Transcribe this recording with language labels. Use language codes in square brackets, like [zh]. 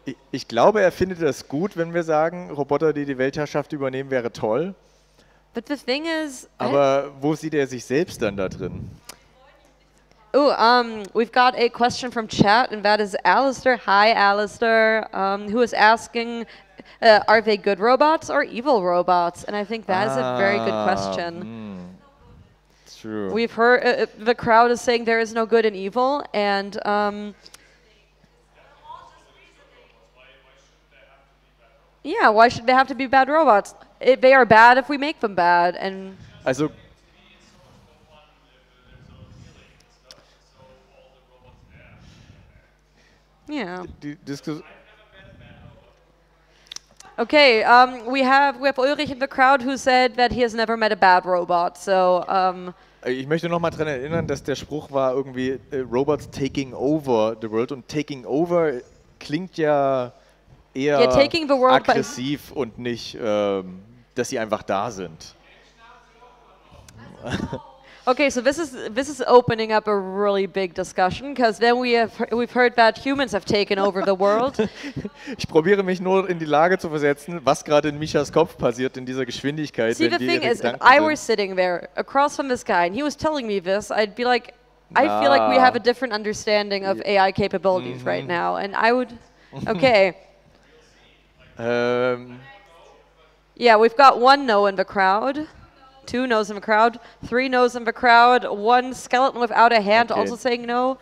[de] Ich glaube, er findet das gut, wenn wir sagen, Roboter, die die Weltherrschaft übernehmen, wäre toll. [en] But the thing is, [de] aber wo sieht er sich selbst dann da drin? [en] Oh, we've got a question from chat, and that is Alistair. Hi, Alistair. Who is asking, are they good robots or evil robots? And I think that is a very good question. True. We've heard, the crowd is saying there is no good and evil, and... yeah, why should they have to be bad robots? They are bad if we make them bad, and... Also, yeah. Okay, we have Ulrich in the crowd who said that he has never met a bad robot, so... [de] Ich möchte noch mal daran erinnern, dass der Spruch war irgendwie [en] Robots taking over the world, [de] und [en] taking over [de] klingt ja... eher aggressiv und nicht, dass sie einfach da sind. [en] Okay, so this is opening up a really big discussion, because then we've heard that humans have taken over the world. [de] Ich probiere mich nur in die Lage zu versetzen, was gerade in Michas Kopf passiert in dieser Geschwindigkeit. [en] See, the thing is, if I were sitting there across from this guy and he was telling me this, I'd be like, I feel like we have a different understanding of AI capabilities right now, and I would, okay. Yeah, we've got one no in the crowd, two no's in the crowd, three no's in the crowd, one skeleton without a hand also saying no.